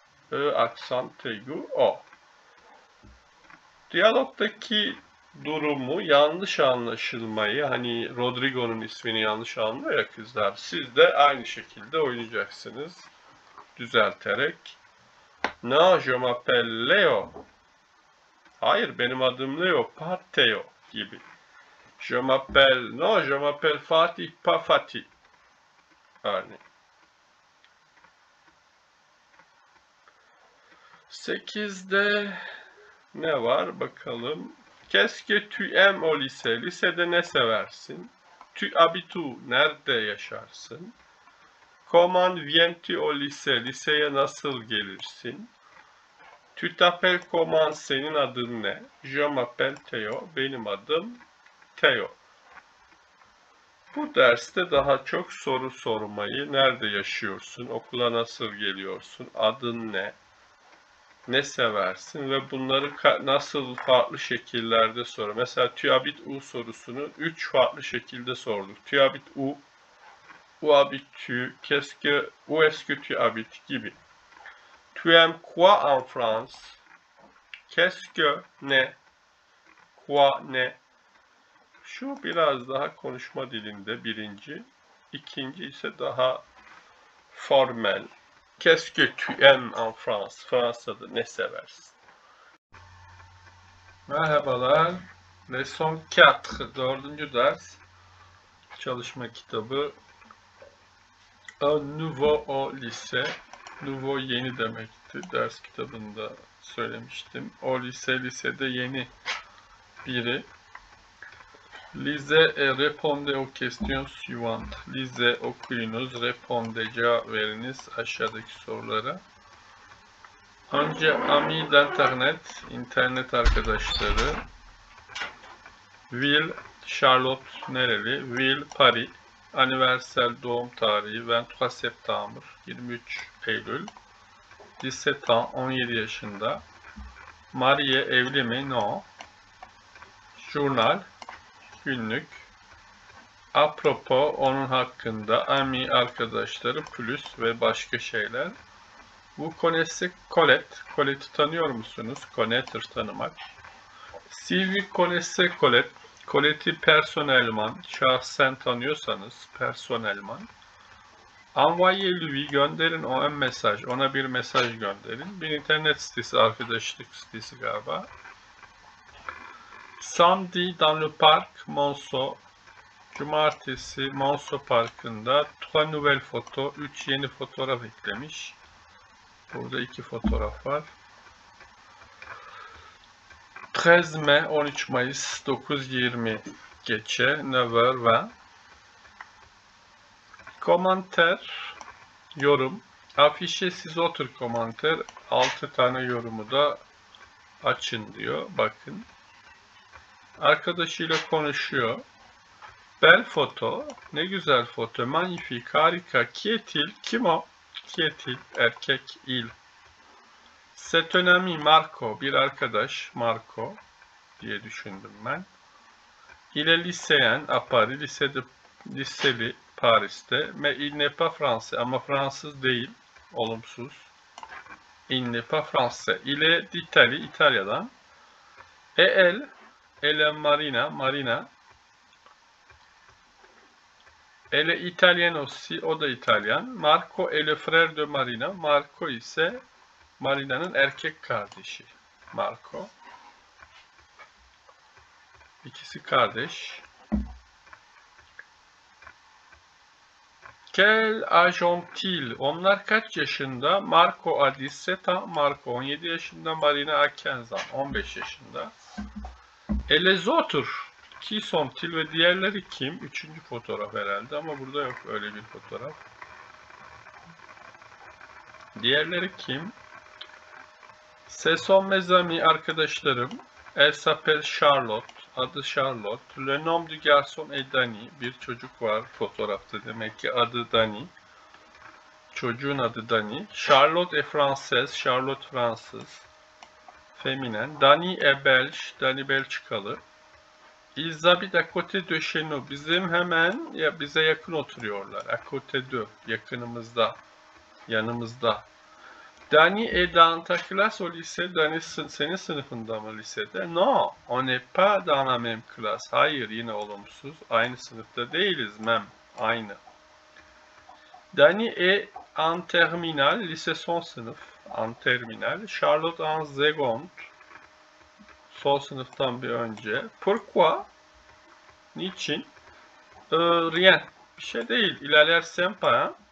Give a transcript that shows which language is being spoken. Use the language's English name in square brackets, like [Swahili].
[Turkish] Ö aksan tegu o. Diyalogdaki durumu yanlış anlaşılmayı, hani Rodrigo'nun ismini yanlış anlıyor ya kızlar, siz de aynı şekilde oynayacaksınız düzelterek. [French] No, je m'appelle Leo. [Turkish] Hayır, benim adım Leo, [French] pas Theo [Turkish] gibi. [French] Je m'appelle, no, je m'appelle Fatih, pas Fatih. [Turkish] Örneğin. 8'de ne var bakalım. [French] Qu'est-ce que tu aimes au lycée? [Turkish] Lisede ne seversin? [French] Tu habites où? [Turkish] Nerede yaşarsın? [French] Comment viens-tu au lycée? [Turkish] Liseye nasıl gelirsin? [French] Tu t'appelles comment? [Turkish] Senin adın ne? [French] Je m'appelle Théo. [Turkish] Benim adım Théo. Bu derste daha çok soru sormayı, nerede yaşıyorsun? Okula nasıl geliyorsun? Adın ne? Ne seversin ve bunları nasıl farklı şekillerde sor. Mesela [French] tu habites où [Turkish] sorusunu 3 farklı şekilde sorduk. [French] Tu habites où, où habites-tu, qu'est-ce que, où est-ce que tu habites [Turkish] gibi. [French] Tu aimes quoi en France? Qu'est-ce que, [Turkish] ne? [French] Quoi, ne? [Turkish] Şu biraz daha konuşma dilinde birinci, ikinci ise daha formel. [French] Qu'est-ce que tu aimes en France? [Turkish] Fransa'da ne seversin? Merhabalar. Leçon 4, 4. ders. Çalışma kitabı. [French] Un nouveau au lycée. [Turkish] Nouveau yeni demekti. Ders kitabında söylemiştim. [French] Au lycée, [Turkish] lisede yeni biri. [French] Lisez et répondez aux questions suivantes. Lisez, [Turkish] okuyunuz, [French] répondez, [Turkish] cevap veriniz aşağıdaki sorulara. Önce [French] ami d'internet, [Turkish] internet arkadaşları. Ville, Charlotte nereli? Ville, Paris. Anniversaire, doğum tarihi, [French] 23 septembre, [Turkish] 23 Eylül. 17 ans, 17 yaşında. Marie, evli mi? No. [French] Journal. [Turkish] Günlük. Apropos, onun hakkında. Ami, arkadaşları, [French] plus [Turkish] ve başka şeyler. Bu konesi Colette. Colette'i tanıyor musunuz? [French] Connaître, [Turkish] tanımak. [French] Si vous connaissez Colette, [Turkish] Colette'i personelman, şahsen tanıyorsanız, personelman. [French] Envoyez lui, [Turkish] gönderin o [French] un mesaj, [Turkish] ona bir mesaj gönderin. Bir internet sitesi, arkadaşlık sitesi galiba. [French] Samedi dans le parc Monceau. [Turkish] Cumartesi Monceau Parkı'nda. [French] Trois nouvelles photos. [Turkish] 3 yeni fotoğraf eklemiş. Burada 2 fotoğraf var. 13 Mayıs, 13 Mayıs 9:20 gece. 9:20. Komenter. Yorum. Afişe siz otur komenter. 6 tane yorumu da açın diyor. Bakın. Arkadaşıyla konuşuyor. [French] Bel foto, [Turkish] ne güzel foto, magnifik, harika, kietil, kim o? Kietil, erkek, il. [French] C'est un ami, Marco, [Turkish] bir arkadaş, Marco diye düşündüm ben. [French] Il est lycéen, à Paris, [Turkish] lisede, liseli, Paris'te. [French] Mais il n'est pas français, [Turkish] ama Fransız değil, olumsuz. [French] Il n'est pas français, il est d'Italie, [Turkish] İtalya'dan. [French] Et elle, elle est Marina, Marina. Elle est italienne aussi, [Turkish] o da İtalyan. [French] Marco est le frère de Marina. [Turkish] Marco ise Marina'nın erkek kardeşi. Marco. İkisi kardeş. [French] Quel âge ont-il? [Turkish] Onlar kaç yaşında? [French] Marco a 17 ans, [Turkish] Marco 17 yaşında, [French] Marina a 15 ans, [Turkish] 15 yaşında. [French] Et les autres? Qui sont-ils [Turkish] ve diğerleri kim? Üçüncü fotoğraf herhalde ama burada yok öyle bir fotoğraf. Diğerleri kim? [French] Ce sont mes amis, [Turkish] arkadaşlarım. [French] Elle s'appelle Charlotte. [Turkish] Adı Charlotte. [French] Le nom du garçon est Dani. [Turkish] Bir çocuk var fotoğrafta, demek ki adı Dani. Çocuğun adı Dani. [French] Charlotte est française. [Turkish] Charlotte Fransız. Feminen. [French] Dani est belge. [Turkish] Dani Belçikalı. [French] Ils habitent à côté de chez nous. [Turkish] Bizim hemen, ya bize yakın oturuyorlar. [French] À côté de, [Turkish] yakınımızda, yanımızda. [French] Dani est dans ta classe au lycée. [Turkish] Dani senin sınıfında mı lisede? [French] No, on n'est pas dans la même classe. [Turkish] Hayır, yine olumsuz. Aynı sınıfta değiliz, mem. Aynı. [French] Dani est en terminale. [Turkish] Lise son sınıf. [French] En terminale. Charlotte en seconde. [Turkish] Son sınıftan bir önce. [French] Pourquoi? [Turkish] Niçin? [French] Rien. [Turkish] Bir şey değil. [French] Il a l'air sympa. Hein?